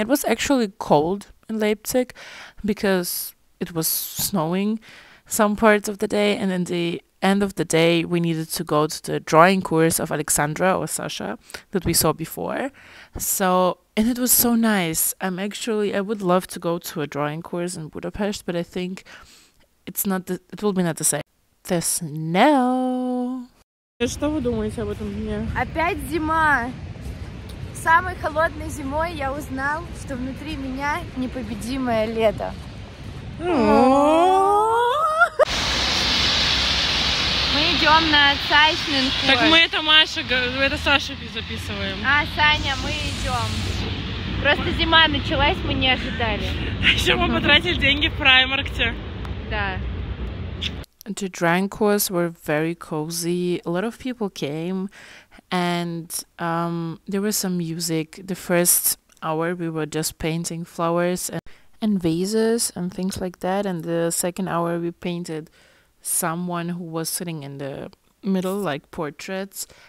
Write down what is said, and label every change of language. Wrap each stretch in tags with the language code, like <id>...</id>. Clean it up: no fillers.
<en>It was actually cold in Leipzig because it was snowing some parts of the day, and in the end of the day we needed to go to the drawing course of Alexandra or Sasha that we saw before. So, and it was so nice. I would love to go to a drawing course in Budapest, but I think it will be not the same. the snow.</en> <ru>Что вы думаете об этом дне? Опять зима. Самой холодной зимой я узнал, что внутри меня непобедимое лето. Мы идем на Цайснинг. Так мы это Маша, это Саша записываем. А, Саня, мы идем. Просто зима началась, мы не ожидали. Еще мы потратили деньги в Праймаркте. Да.</ru> <en>The drink was were very cozy. A lot of people came, and there was some music. The first hour we were just painting flowers and vases and things like that. And the second hour we painted someone who was sitting in the middle, like portraits.</en>